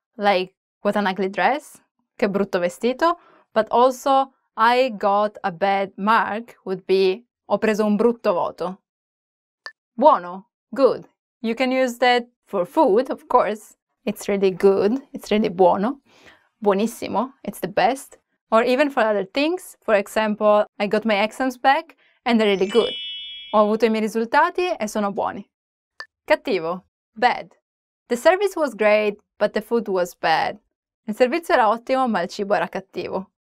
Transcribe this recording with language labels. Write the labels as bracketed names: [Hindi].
[English] Like, what an ugly dress, [Italian] che brutto vestito, [English] but also I got a bad mark would be [Italian] ho preso un brutto voto. [English] Buono, good. You can use that for food, of course. It's really good, it's really buono. Buonissimo, it's the best. Or even for other things. For example, I got my exams back and they're really good. [Italian] Ho avuto i miei risultati e sono buoni. [English] Cattivo, bad. The service was great, but the food was bad. [Italian] Il servizio era ottimo, ma il cibo era cattivo.